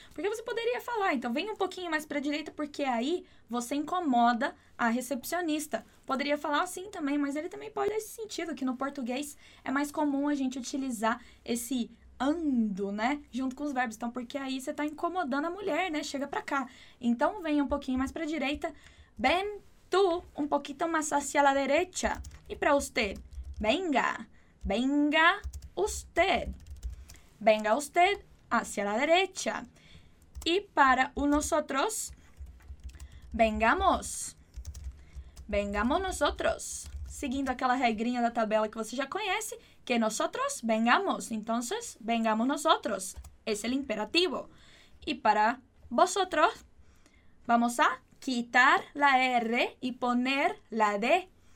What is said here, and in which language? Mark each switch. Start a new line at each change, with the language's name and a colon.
Portuguese: Porque você poderia falar, então, vem um pouquinho mais para a direita, porque aí você incomoda a recepcionista. Poderia falar assim também, mas ele também pode dar esse sentido, que no português é mais comum a gente utilizar esse ando, né, junto com os verbos. Então, porque aí você está incomodando a mulher, né, chega para cá. Então, vem um pouquinho mais para a direita.
Spanish: Ben, tu, un poquito más hacia la derecha. E para usted, venga. Venga usted. Venga usted hacia la derecha. Y para nosotros, vengamos. Vengamos nosotros.
Portuguese: Seguindo aquela regrinha da tabela que você já conhece,
Spanish: que nosotros vengamos. Entonces, vengamos nosotros. Es el imperativo. Y para vosotros, vamos a quitar la R y poner la D.